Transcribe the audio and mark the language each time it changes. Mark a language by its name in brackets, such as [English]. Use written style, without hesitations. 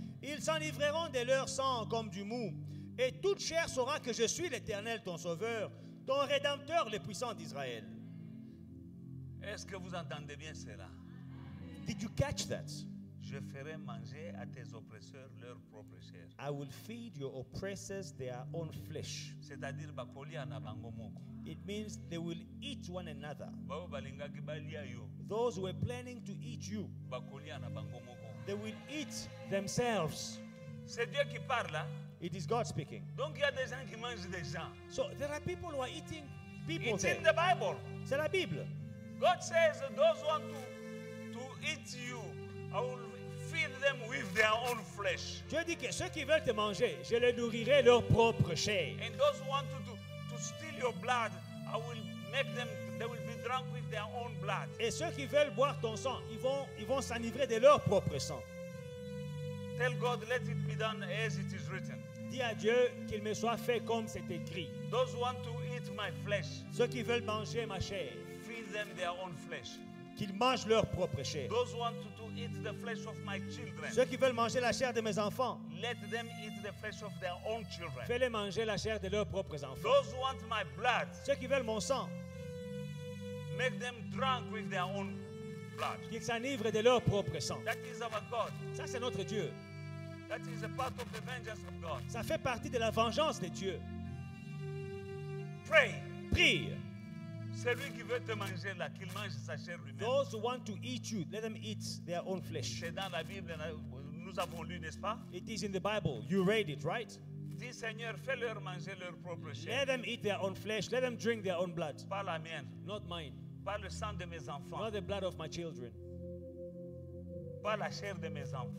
[French] Ils s'enivreront de leur sang comme du mou. Et toute chair saura que je suis l'Éternel, ton Sauveur, ton Rédempteur, le Puissant d'Israël. Est-ce que vous entendez bien cela? [English] Did you catch that? [French] Je ferai manger à tes oppresseurs leur propre chair. [English] I will feed your oppressors their own flesh. [French] C'est-à-dire [Lingala] bakolia na bango moko. [English] It means they will eat one another. [Lingala] Bao balingaki balia yo. [English] Those who are planning to eat you. [Lingala] Bakolia na bango moko. [English] They will eat themselves. [French] C'est Dieu qui parle. [English] It is God speaking. [French] Donc il y a des gens qui mangent des gens. [English] So there are people who are eating people. It's there. In the Bible. [French] C'est la Bible. [English] God says those who want to eat you, I will feed them with their own flesh. [French] Dieu dit que ceux qui veulent te manger, je les nourrirai leur propre chair. [English] And those who want to steal your blood, I will make them. They will be drunk with their own blood. [French] Et ceux qui veulent boire ton sang, ils vont s'enivrer de leur propre sang. [English] Tell God, let it be done as it is written. [French] Dis à Dieu qu'il me soit fait comme c'est écrit. [English] Those who want to eat my flesh, [French] ceux qui veulent manger ma chair, [English] feed them their own flesh. [French] Qu'ils mangent leur propre chair. [English] Those who want to eat the flesh of my children, [French] ceux qui veulent manger la chair de mes enfants, [English] let them eat the flesh of their own children. [French] Fais-les manger la chair de leurs propres enfants. [English] Those who want my blood, [French] ceux qui veulent mon sang, [English] make them drunk with their own blood. [French] Qu'ils s'enivrent de leur propre sang. [English] That is our God. [French] Ça, c'est notre Dieu. [English] That is a part of the vengeance of God. [French] Ça fait partie de la vengeance de Dieu. [English] Pray. [French] Prie. Celui qui veut te manger là, qu'il mange sa chair lui-même. [English] Those who want to eat you, let them eat their own flesh. [French] C'est dans la Bible, nous avons lu, n'est-ce pas? [English] It is in the Bible. You read it, right? [French] Dis Seigneur, fais-leur manger leur propre chair. [English] Let them eat their own flesh. Let them drink their own blood. [French] Pas la mienne. [English] Not mine. [French] Pas le sang de mes enfants. [English] Not the blood of my children. [French] Pas la chair de mes enfants.